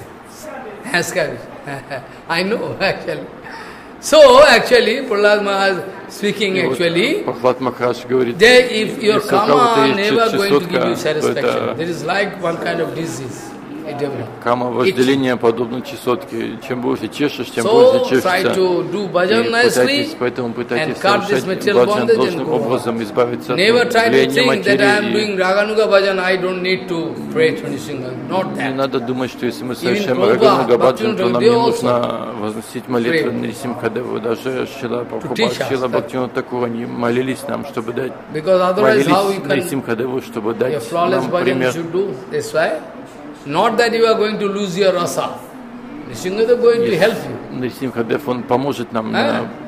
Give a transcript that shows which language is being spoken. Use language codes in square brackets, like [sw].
[en] Scabbage. I know actually. So actually, Prahlad Maharaj speaking actually, there if your karma never going to give you satisfaction, there is like one kind of disease. [ru] Karma вожделение подобно чесотке. Чем больше чешешь, тем больше чешется. [en] So try to do bhajan nicely and cut this material bondage and go on. Never try to think that I am doing raganuga bhajan, I don't need to pray to Nrisimha. Not that. [ru] Не надо думать, что если мы совершаем рагануга бхаджан, то нам не нужно возносить молитву Нрисимхадеву. Даже Шрила Бхактивинода Такура не молились нам, чтобы дать. [en] Because otherwise, how you can [ru] Нрисимхадеву, чтобы дать нам пример. [en] Your flawless bhajan you should do. That's why. Not that you are going to lose your rasa. Нрисимхадев going to help you. [ru] Нрисимхадев он поможет нам.